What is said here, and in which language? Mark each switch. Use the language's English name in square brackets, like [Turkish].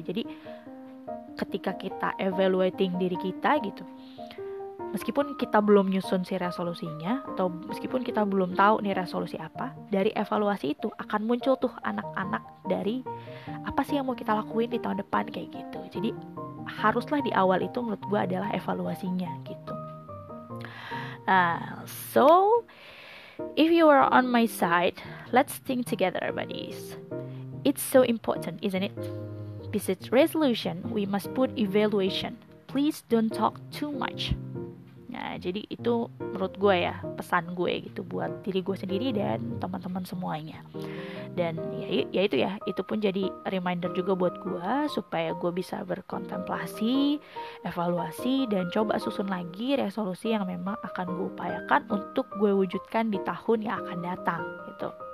[Indonesian] Jadi ketika kita [English] evaluating [Indonesian] diri kita gitu, meskipun kita belum nyusun si resolusinya atau meskipun kita belum tahu nih resolusi apa, dari evaluasi itu akan muncul tuh anak-anak dari apa sih yang mau kita lakuin di tahun depan kayak gitu. Jadi haruslah di awal itu menurut gue adalah evaluasinya gitu. [English] So if you are on my side, let's think together buddies. It's so important, isn't it? Besides resolution, we must put evaluation. Please don't talk too much. [Indonesian] Nah, jadi itu menurut gue ya, pesan gue gitu buat diri gue sendiri dan teman-teman semuanya. Dan ya itu ya, itu pun jadi reminder juga buat gue supaya gue bisa berkontemplasi, evaluasi, dan coba susun lagi resolusi yang memang akan gue upayakan untuk gue wujudkan di tahun yang akan datang gitu.